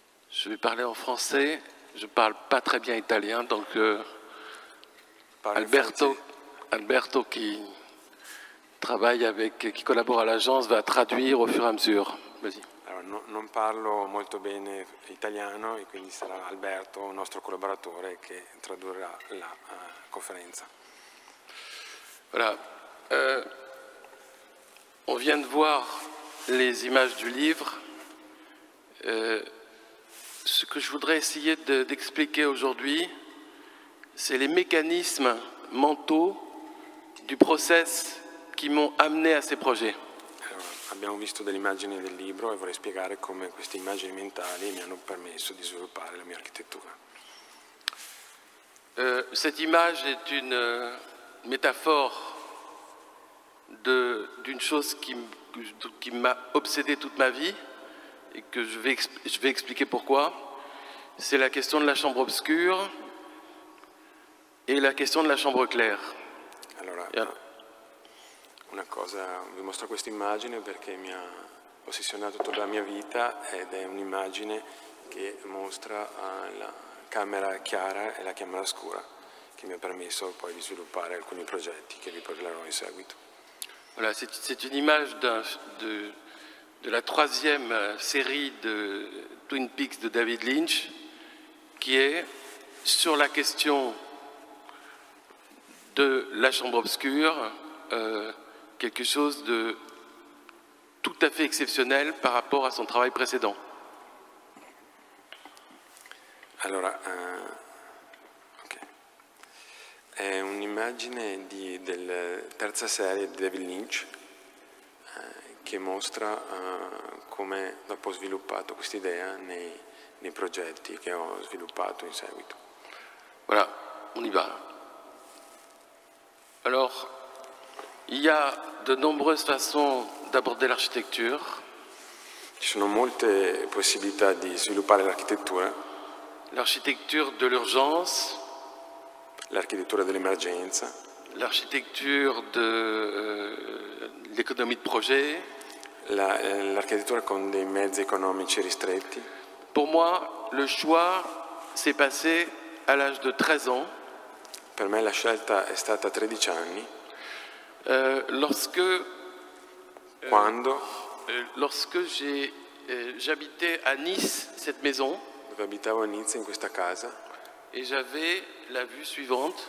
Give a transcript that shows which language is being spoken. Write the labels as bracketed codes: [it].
[fr] Je vais parler en français, je parle pas très bien italien, donc Alberto qui travaille avec, qui collabore à l'agence, va traduire au fur et à mesure. Vas-y. [it] Alors, non parlo molto bene italiano e quindi sarà Alberto, nostro collaboratore, che tradurrà la conferenza. [fr] Voilà. On vient de voir les images du livre. Ce que je voudrais essayer d'expliquer aujourd'hui, c'est les mécanismes mentaux du process qui m'ont amené à ces projets. [it] Abbiamo visto delle immagini del libro e vorrei spiegare come queste immagini mentali mi hanno permesso di sviluppare la mia architettura. [fr] Cette image est une métaphore d'une chose qui m'a obsédé toute ma vie et que je vais expliquer pourquoi. C'est la question de la chambre obscure et la question de la chambre claire. [it] Allora, una cosa, vi mostro questa immagine perché mi ha ossessionato tutta la mia vita ed è un'immagine che mostra la camera chiara e la camera scura, che mi ha permesso poi di sviluppare alcuni progetti che vi parlerò in seguito. [fr] Voilà, c'est une image de la troisième série de Twin Peaks de David Lynch. Qui est sur la question de la chambre obscure, quelque chose de tout à fait exceptionnel par rapport à son travail précédent. Alors, okay. [it] È un'immagine della terza serie di David Lynch che mostra come dopo ho sviluppato questa idea nei progetti che ho sviluppato in seguito. [fr] Voilà, on y va. Alors, il y a de nombreuses façons d'aborder l'architecture. [it] Ci sono molte possibilità di sviluppare l'architettura. [fr] L'architecture de l'urgence. [it] L'architettura dell'emergenza. [fr] L'architecture de l'économie de projet. [it] L'architettura con dei mezzi economici ristretti. [fr] Pour moi, le choix s'est passé à l'âge de 13 ans. [it] Per me la scelta è stata 13 anni. [fr] Lorsque [it] quando [fr] lorsque j'habitais à Nice, cette maison. [it] Dove abitavo a Nice, in questa casa. [fr] Et j'avais la vue suivante.